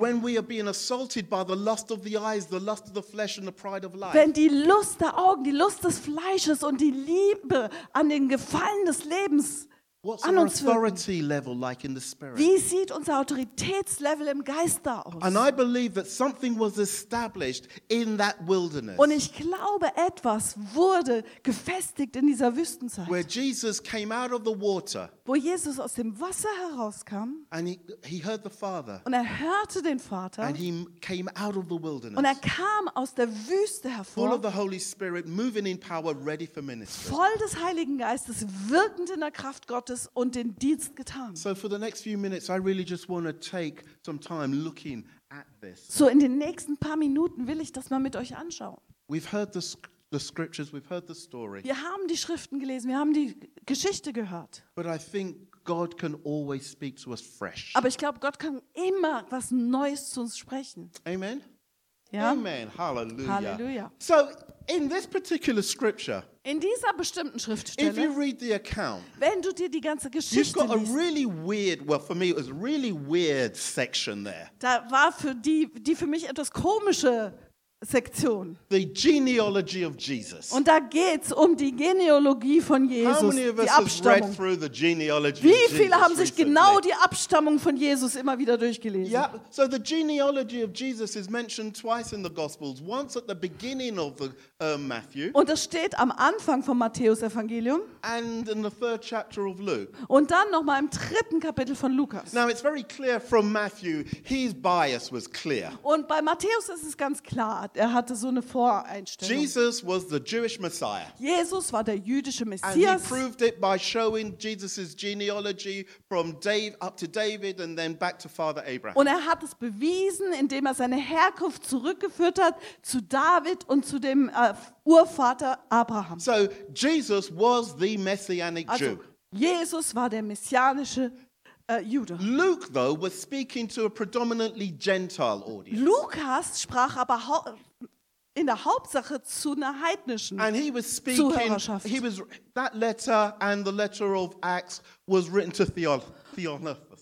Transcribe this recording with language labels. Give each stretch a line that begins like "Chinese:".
English: When we are being assaulted by the lust of the eyes, the lust of the flesh and the pride of life.
German: Wenn die Lust der Augen, die Lust des Fleisches und die Liebe an den Gefallen des Lebens
English: what's
German: an uns
English: authority level like in the spirit?
German: Wie sieht unser Autoritätslevel im Geist da aus?
English: And I believe that something was established in that wilderness.
German: Und ich glaube, etwas wurde gefestigt in dieser Wüstenzeit.
English: Where Jesus came out of the water.
German: Wo Jesus aus dem Wasser herauskam.
English: And he heard the Father.
German: Und er hörte den Vater.
English: And he came out of the wilderness.
German: Und er kam aus der Wüste hervor.
English: Full of the Holy Spirit, moving in power, ready for ministry.
German: Voll des Heiligen Geistes, wirkend in der Kraft Gottes. Und den Dienst getan.
English: So for the next few minutes I really just want to take some time looking at this.
German: So in den nächsten paar Minuten will ich das mal mit euch anschauen.
English: We've heard the scriptures, we've heard the story.
German: Wir haben die Schriften gelesen, wir haben die Geschichte gehört.
English: But I think God can always speak to us fresh.
German: Aber ich glaube, Gott kann immer was Neues zu uns sprechen.
English: Amen.
German: Ja.
English: Amen. Hallelujah.
German: Hallelujah.
English: So in this particular scripture,
German: in dieser bestimmten Schriftstelle,
English: if you read the account,
German: wenn du dir die ganze Geschichte
English: you've got
German: liest,
English: a really weird, well for me it was a really weird section there.
German: Da war für die für mich etwas komische Sektion.
English: The genealogy of Jesus.
German: Und da geht's um die Genealogie von Jesus,
English: how many of
German: die
English: us
German: Abstammung.
English: Read through the genealogy
German: wie viele
English: of Jesus
German: haben sich
English: recently?
German: Genau die Abstammung von Jesus immer wieder durchgelesen?
English: Yeah, so the genealogy of Jesus is mentioned twice in the Gospels, once at the beginning of the Matthew.
German: Und das steht am Anfang vom Matthäus Evangelium.
English: And in the third chapter of Luke.
German: Und dann noch mal im dritten Kapitel von Lukas.
English: Now it's very clear from Matthew, his bias was clear.
German: Und bei Matthäus ist es ganz klar. Er hatte so eine Voreinstellung.
English: Jesus was the Jewish Messiah.
German: Jesus war der jüdische Messias.
English: And he proved it by showing Jesus's genealogy from Dave up to David and then back to Father Abraham.
German: Und er hat es bewiesen, indem er seine Herkunft zurückgeführt hat zu David und zu dem Urvater Abraham.
English: So Jesus was the messianic
German: also,
English: Jew.
German: Jesus war der messianische Jude.
English: Luke though was speaking to a predominantly Gentile audience.
German: Lukas sprach aber in der Hauptsache zu einer heidnischen Zuhörerschaft.
English: He was that letter and the letter of Acts was written to Theophilus.